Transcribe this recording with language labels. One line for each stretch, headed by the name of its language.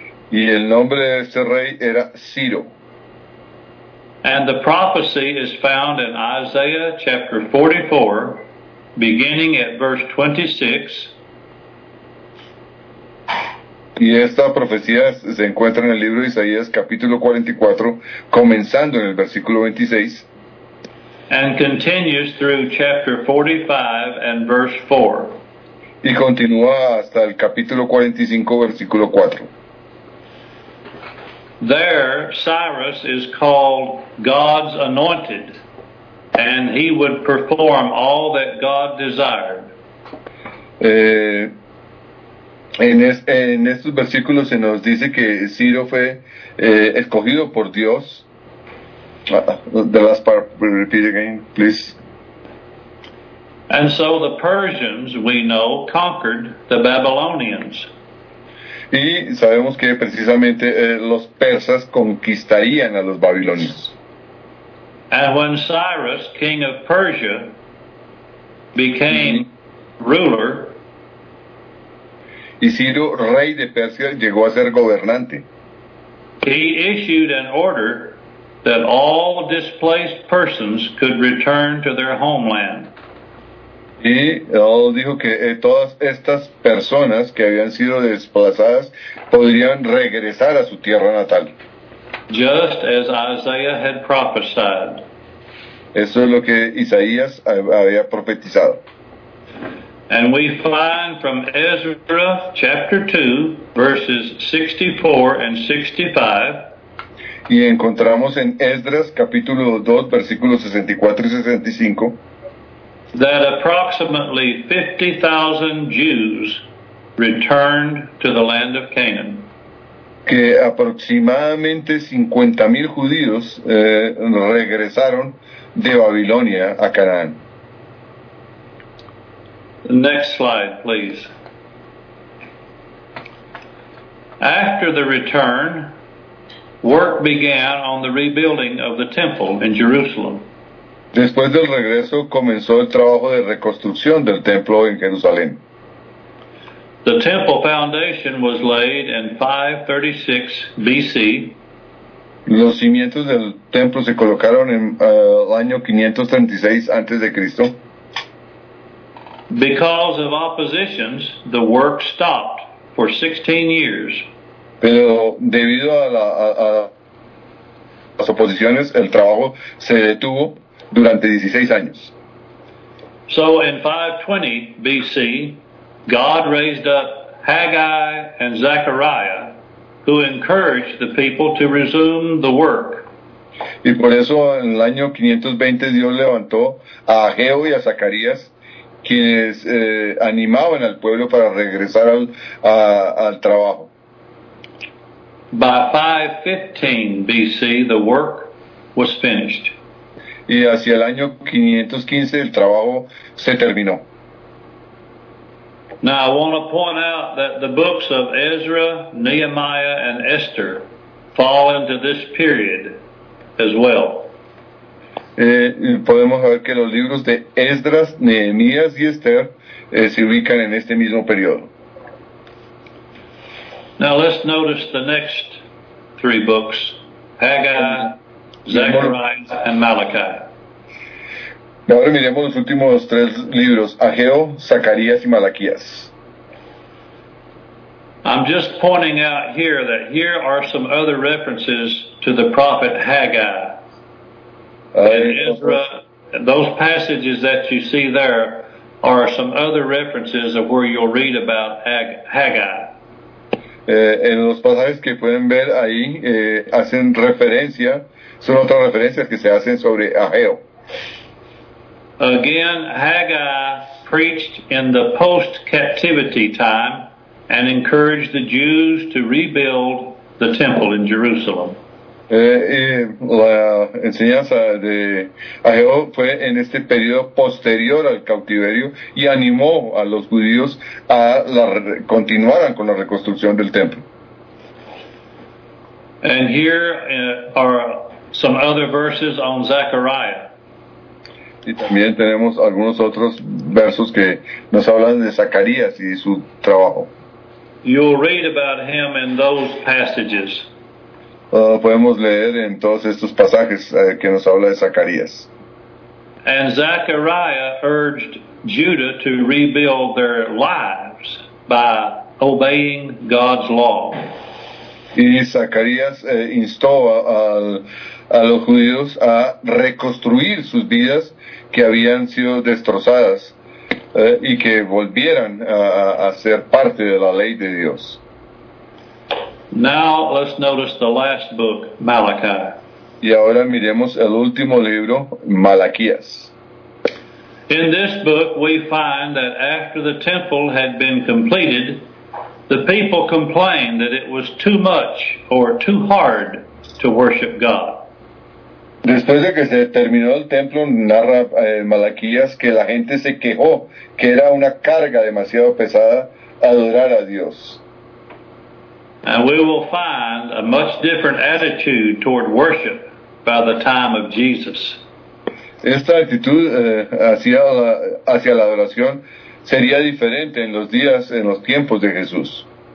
Spanish: Y el nombre de este rey era Ciro.
English: And the prophecy is found in Isaiah chapter 44, beginning at verse 26.
Spanish: Y esta profecía se encuentra en el libro de Isaías, capítulo 44, comenzando en el versículo 26.
English: And continues through chapter 45 and verse 4.
Spanish: Y continúa hasta el capítulo 45, versículo 4.
English: There, Cyrus is called God's anointed, and he would perform all that God desired.
Spanish: En estos versículos se nos dice que Ciro fue escogido por Dios.
English: The last part, repeat again, please. And so the Persians, we know, conquered the Babylonians.
Spanish: Y sabemos que precisamente los persas conquistarían a los babilonios.
English: And when Cyrus, king of Persia, became ruler,
Spanish: y Ciro, rey de Persia, llegó a ser gobernante,
English: he issued an order that all displaced persons could return to their homeland.
Spanish: Y él dijo que todas estas personas que habían sido desplazadas podrían regresar a su tierra natal.
English: Just as Isaiah had prophesied.
Spanish: Eso es lo que Isaías había profetizado.
English: And we find from Ezra chapter 2, verses 64 and 65.
Spanish: Y encontramos en Esdras capítulo 2, versículos 64 y 65.
English: That approximately 50,000 Jews returned to the land of Canaan.
Spanish: Que aproximadamente 50,000 judíos regresaron de Babilonia a Canaán.
English: Next slide, please. After the return, work began on the rebuilding of the temple in Jerusalem.
Spanish: Después del regreso comenzó el trabajo de reconstrucción del templo en Jerusalén.
English: The temple foundation was laid in 536 BC.
Spanish: Los cimientos del templo se colocaron en el año 536 antes de Cristo.
English: Because of oppositions, the work stopped for 16 years.
Spanish: Pero debido a las oposiciones, el trabajo se detuvo durante 16 años.
English: So in 520 BC, God raised up Haggai and Zechariah, who encouraged the people to resume the work.
Spanish: Y por eso en el año 520 Dios levantó a Ageo y a Zacarías, quienes animaban al pueblo para regresar al trabajo.
English: By 515 BC, the work was finished.
Spanish: Y hacia el año 515 el trabajo se terminó.
English: Now I want to point out that the books of Ezra, Nehemiah, and Esther fall into this period as well.
Spanish: Podemos ver que los libros de Esdras, Nehemías y Esther se ubican en este mismo periodo.
English: Now let's notice the next three books, Haggai, Zechariah, and Malachi.
Spanish: Ahora miremos los últimos tres libros, Ageo, Zacarías y Malaquías.
English: I'm just pointing out here that here are some other references to the prophet Haggai. In Ezra, those passages that you see there are some other references of where you'll read about Haggai.
Spanish: En los pasajes que pueden ver ahí, hacen referencia, son otras referencias que se hacen sobre Ageo.
English: Again, Haggai preached in the post-captivity time and encouraged the Jews to rebuild the temple in Jerusalem.
Spanish: La enseñanza de Ageo fue en este periodo posterior al cautiverio y animó a los judíos a continuaran con la reconstrucción del templo.
English: And here are some other verses on Zechariah.
Spanish: Y también tenemos algunos otros versos que nos hablan de Zacarías y su trabajo.
English: You'll read about him in those passages.
Spanish: Podemos leer en todos estos pasajes que nos habla de Zacarías.
English: And Zechariah urged Judah to rebuild their lives by obeying God's law.
Spanish: Y Zacarías instó a los judíos a reconstruir sus vidas que habían sido destrozadas y que volvieran a ser parte de la ley de Dios.
English: Now let's notice the last book, Malachi.
Spanish: Y ahora miremos el último libro, Malaquías.
English: In this book we find that after the temple had been completed, the people complained that it was too much or too hard to worship God.
Spanish: Después de que se terminó el templo, narra Malaquías que la gente se quejó que era una carga demasiado pesada adorar a Dios.
English: And we will find a much different attitude toward worship by the time of Jesus.
Spanish: Esta actitud hacia la adoración sería diferente en los tiempos de Jesús.